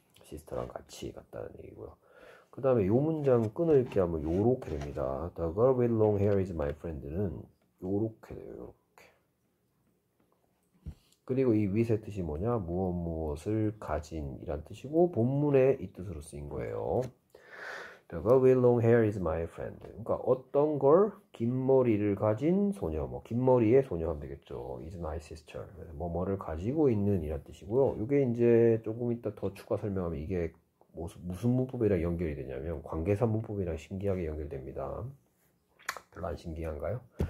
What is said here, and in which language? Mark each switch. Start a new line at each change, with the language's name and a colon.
Korean: 시스터랑 같이 갔다는 얘기고요. 그 다음에 요 문장 끊어읽기 하면 요렇게 됩니다.
English: The girl with long hair is my friend는
Korean: 요렇게 돼요. 요렇게. 그리고 이 윗의 뜻이 뭐냐? 무엇무엇을 가진 이란 뜻이고 본문에 이 뜻으로 쓰인 거예요.
English: The girl with long hair is my friend.
Korean: 그러니까 어떤 걸긴 머리를 가진 소녀, 뭐긴 머리의 소녀 하면 되겠죠.
English: Is my sister.
Korean: 뭐뭐를 가지고 있는 이란 뜻이고요. 요게 이제 조금 이따 더 추가 설명하면 이게 무슨 문법이랑 연결이 되냐면 관계사 문법이랑 신기하게 연결됩니다. 별로 안 신기한가요?